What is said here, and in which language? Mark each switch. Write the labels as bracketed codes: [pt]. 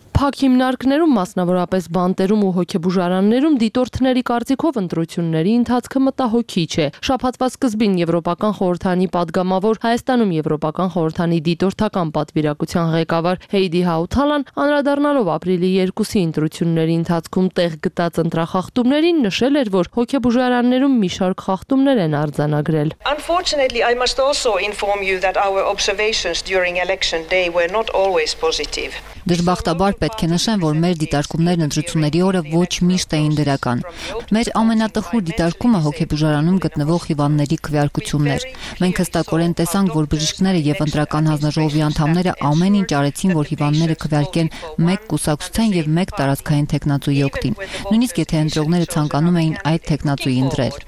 [hy] Փակ հիմնարկներում, մասնավորապես բանտերում ու հոգեբուժարաններում դիտորդների կարծիքով ընտրությունների ընթացքը մտահոգիչ է։ Շաբաթվա սկզբին Եվրոպական խորհրդանի պատգամավոր, Հայաստանում Եվրոպական խորհրդանի դիտորդական պատվիրակության ղեկավար Հեյդի Հաութալան, անդրադառնալով ապրիլի 2-ի ընտրությունների ընթացքում տեղ գտած ընտրախախտումներին, նշել էր, որ հոգեբուժարաններում մի շարք խախտումներ են արձանագրել։ [en] Unfortunately, I must also inform you that our observations during election day were not always positive. [hy] Դժբախտաբար պետք է նշեմ, որ մեր դիտարկումներն ընտրությունների օրը ոչ միշտ էին դրական։ Մեր ամենատխուր դիտարկումը հոգեբուժարանում գտնվող հիվանդների քվեարկությունն էր։ Մենք հստակորեն տեսանք, որ բժիշկները եւ ընտրական հանձնաժողովի անդամները ամեն ինչ արեցին, որ հիվանդները քվեարկեն մեկ կուսակցության եւ մեկ տարածքային տեխնատոյի օգտին, նույնիսկ եթե ընտրողները ցանկանում էին այդ տեխնատոյի ընտրել։